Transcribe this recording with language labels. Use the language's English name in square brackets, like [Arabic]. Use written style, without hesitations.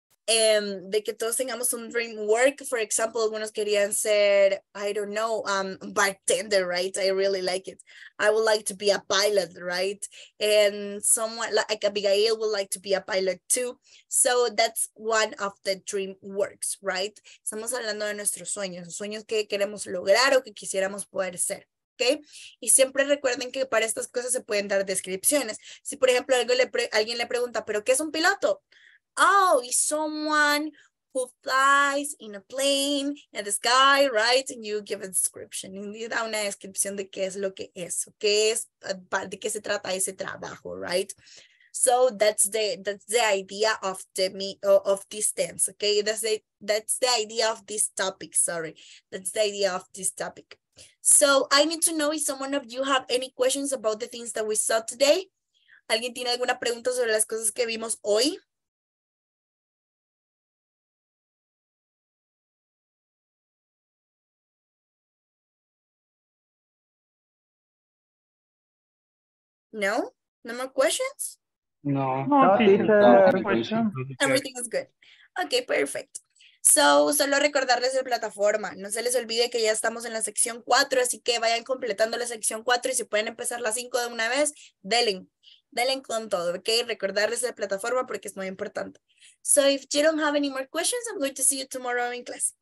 [Spanish] De que todos tengamos un [English] dream work. For example, [Spanish] algunos querían ser, [English] I don't know, bartender, right? I really like it. I would like to be a pilot, right? And someone like Abigail would like to be a pilot too. So that's one of the dream works, right? [Spanish] Estamos hablando de nuestros sueños, sueños que queremos lograr o que quisiéramos poder ser. Okay. Y siempre recuerden que para estas cosas se pueden dar descripciones. Si, por ejemplo, alguien le pregunta, ¿pero qué es un piloto? [English] Oh, is someone who flies in a plane in the sky, right? And you give a description. You [Spanish] da una descripción de qué es lo que es, qué es, de qué se trata ese trabajo, right? [English] So that's the idea of this tense, okay? That's the idea of this topic, sorry. That's the idea of this topic. So I need to know if someone of you have any questions about the things that we saw today. [Spanish] ¿Alguien tiene alguna pregunta sobre las cosas que vimos hoy? [English] No? No more questions? No. No, teacher. Everything is good. Okay, perfect. So, [Spanish] solo recordarles la plataforma. No se les olvide que ya estamos en la sección 4, así que vayan completando la sección 4 y si pueden empezar la 5 de una vez, delen. Delen con todo, okay? Recordarles la plataforma porque es muy importante. [English] So, if you don't have any more questions, I'm going to see you tomorrow in class.